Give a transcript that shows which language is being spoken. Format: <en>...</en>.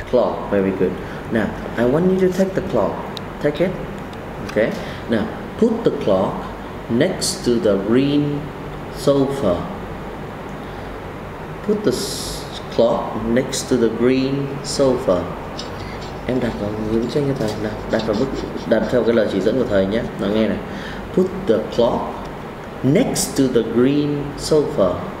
<en>Clock, very good. Now, I want you to take the clock. Take it. Okay. Now, put the clock next to the green sofa. Put the clock next to the green sofa.</en> <vi>Em đặt vào hướng cho thầy. Nào, đặt vào bức, đặt theo cái lời chỉ dẫn của thầy nhé. Nào nghe này.</vi> <en>Put the clock next to the green sofa.</en>